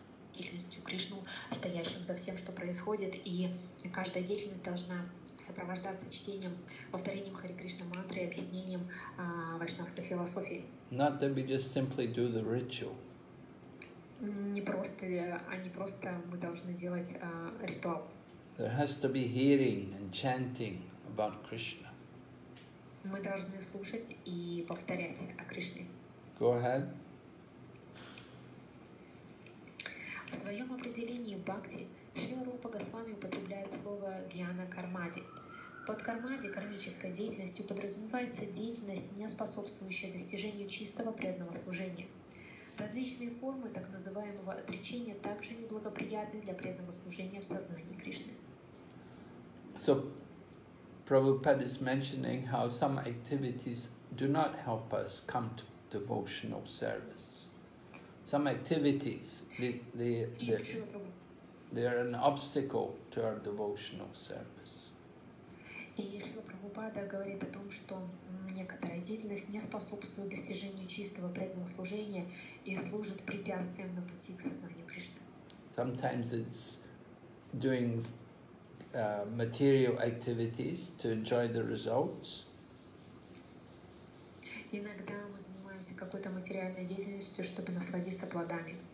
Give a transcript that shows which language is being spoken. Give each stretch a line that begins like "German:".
Russian: Деятельностью Кришну, стоящим за всем, что происходит, и каждая деятельность должна сопровождаться чтением, повторением Хари Кришна мантры, объяснением вайшнавской философии.
English: Not that we just simply do the ritual.
Russian: Не просто мы должны делать ритуал.
English: There has to be hearing and chanting about Krishna.
Russian: Мы должны слушать и повторять о Кришне.
English: Go ahead.
Russian: В своем определении бхакти Шрила Рупа Госвами употребляет слово «гьяна кармади». Под кармади, кармической деятельностью, подразумевается деятельность, не способствующая достижению чистого преданного служения. Различные формы так называемого отречения также неблагоприятны для преданного служения в сознании Кришны.
English: So, Prabhupada is mentioning how some activities do not help us come to devotional service. Some activities, they are an obstacle to our devotional service.
Russian: И Шрила Прабхупада говорит о том, что некоторая деятельность не способствует достижению чистого преданного служения и служит препятствием на пути к сознанию Кришны.
English: Sometimes it's doing material activities to enjoy the results.
Russian: Иногда мы какой-то материальной деятельностью, чтобы насладиться плодами.